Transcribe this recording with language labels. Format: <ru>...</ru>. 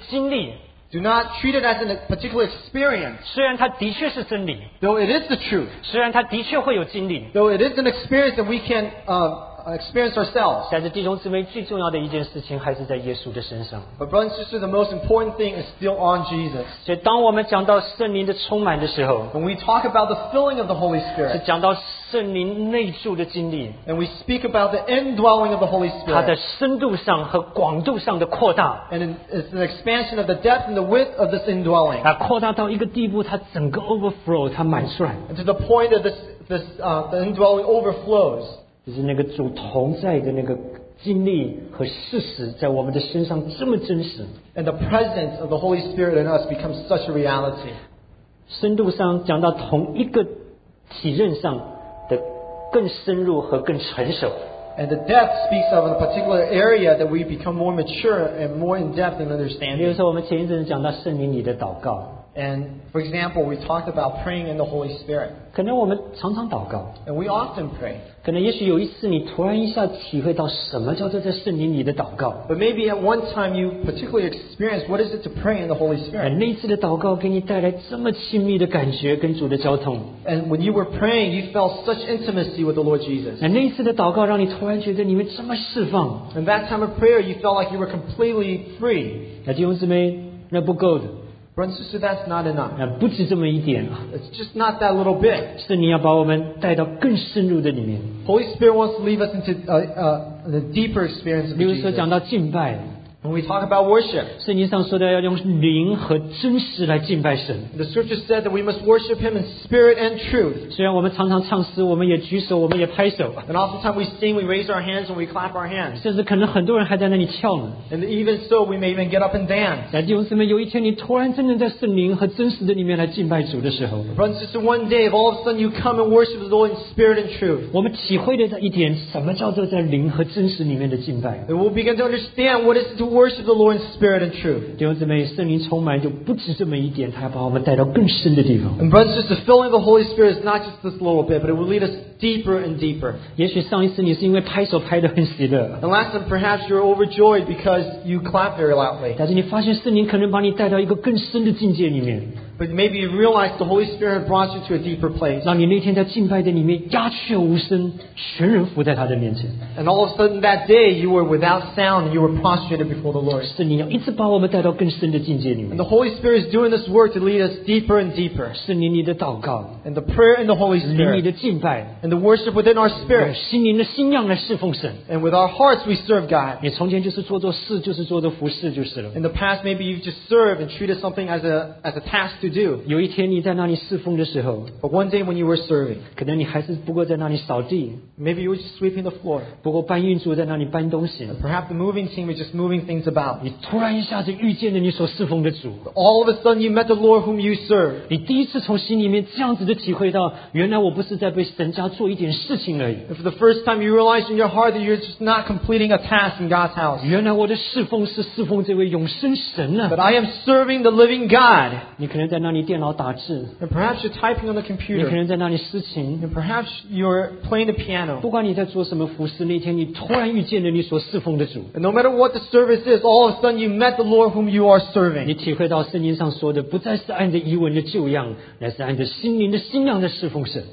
<en>Do not treat it as a particular experience. Though it is the truth, though it is an experience that we can experience ourselves.</en> <zh>但是弟兄姊妹，最重要的一件事情还是在耶稣的身上。</zh> <en>But brothers and sisters, the most important thing is still on Jesus.</en> <zh>所以当我们讲到圣灵的充满的时候</zh> <en>，When we talk about the filling of the Holy Spirit,</en> <zh>是讲到圣灵内住的经历</zh> <en>，And we speak about the indwelling of the Holy Spirit.</en> <zh>它的深度上和广度上的扩大</zh> <en>，And it's an expansion of the depth and the width of this indwelling.</en> <zh>它扩大到一个地步，它整个 overflow， 它满出来</zh> <en>，To the point that the indwelling overflows.</en> <zh>就是那个主同在的那个经历和事实在我们的身上这么真实</zh> <en>and the presence of the Holy Spirit in us becomes such a reality</en> <zh>深度上讲到同一个体认上的更深入和更成熟</zh> <en>and the depth speaks of a particular area that we become more mature and more in depth in understanding</en> <zh>比如说我们前一阵子讲到圣灵里的祷告</zh> <en>And for example, we talked about praying in the Holy Spirit.</en> <zh>可能我们常常祷告</zh> <en>And we often pray.</en> <zh>可能也许有一次你突然一下体会到什么叫做在圣灵里的祷告</zh> <en>But maybe at one time you particularly experienced what is it to pray in the Holy Spirit.</en> <zh>那次的祷告给你带来这么亲密的感觉跟主的交通</zh> <en>And when you were praying, you felt such intimacy with the Lord Jesus.</en> <zh>那次的祷告让你突然觉得你们这么释放</zh> <en>And that time of prayer, you felt like you were completely free.</en> <zh>那弟兄姊妹，那不够的</zh> <en>Brothers and sisters, that's not enough.</en> <zh>那不止这么一点。</zh> <en>It's just not that little bit.</en> <zh>圣灵要把我们带到更深入的里面。</zh> <en>Holy Spirit wants to lead us into the deeper experience of Jesus.</en> <zh>比如说讲到敬拜。</zh> <en>When we talk about worship,</en> <zh>圣经上说的要用灵和真实来敬拜神。</zh> <en>The scripture said that we must worship Him in spirit and truth.</en> <zh>虽然我们常常唱诗，我们也举手，我们也拍手。</zh> <en>And oftentimes we sing, we raise our hands, and we clap our hands.</en> <zh>甚至可能很多人还在那里跳呢。</zh> <en>And even so, we may even get up and dance.</en> <zh>弟兄姊妹，有一天你突然真正在圣灵和真实的里面来敬拜主的时候</zh> <en>，Brothers and sisters, one day, if all of a sudden you come and worship the Lord in spirit and truth,</en> <zh>我们体会的一点，什么叫做在灵和真实里面的敬拜</zh> <en>？And we'll begin to understand what is to worship the Lord in spirit and truth.</en> <zh>弟兄姊妹，圣灵充满就不止这么一点，他要把我们带到更深的地方。</zh> <en>And brothers and sisters, the filling of the Holy Spirit is not just this little bit, but it will lead us deeper and deeper.</en> <zh>也许上一次你是因为拍手拍得很喜乐。</zh> <en>And last time, perhaps you're overjoyed because you clap very loudly.</en> <zh>但是你发现圣灵可能把你带到一个更深的境界里面。</zh> <en>But maybe you realize the Holy Spirit brought you to a deeper place.</en> <zh>让你那天在敬拜殿里面鸦雀无声，全人伏在他的面前。</zh> <en>And all of a sudden that day you were without sound, you were prostrated before the Lord.</en> <zh>圣灵要一直把我们带到更深的境界里面。</zh> <en>And the Holy Spirit is doing this work to lead us deeper and deeper.</en> <zh>圣灵你的祷告。</zh> <en>And the prayer in the Holy Spirit.</en> <zh>灵你的敬拜。</zh> <en>And the worship within our spirit.</en> <zh>心灵的新样来侍奉神。</zh> <en>And with our hearts we serve God.</en> <zh>你从前就是做做事，就是做做服事就是了。</zh> <en>In the past maybe you've just served and treated something as a task to do.</en> <zh>有一天你在那里侍奉的时候</zh> <en>But one day when you were serving,</en> <zh>可能你还是不过在那里扫地</zh> <en>Maybe you were just sweeping the floor</en> <zh>不过搬运组在那里搬东西</zh> <en>Perhaps the moving team was just moving things about</en> <zh>你突然一下子遇见了你所侍奉的主</zh> <en>All of a sudden you met the Lord whom you serve</en> <zh>你第一次从心里面这样子的体会到原来我不是在被神家做一点事情而已</zh> <en>And for the first time you realize in your heart that you're just not completing a task in God's house</en> <zh>原来我的侍奉是侍奉这位永生神啊</zh> <en>But I am serving the living God</en> <zh>你可能在那里电脑打字</zh> <en>and perhaps you're typing on the computer</en> <zh>你可能在那里思琴</zh> <en>and perhaps you're playing the piano</en> <zh>不管你在做什么服事那天你突然遇见了你所侍奉的主</zh> <en>and no matter what the service is all of a sudden you met the Lord whom you are serving</en> <zh>你体会到圣经上说的不再是按着遗文的旧样乃是按着心灵的新样的侍奉神</zh>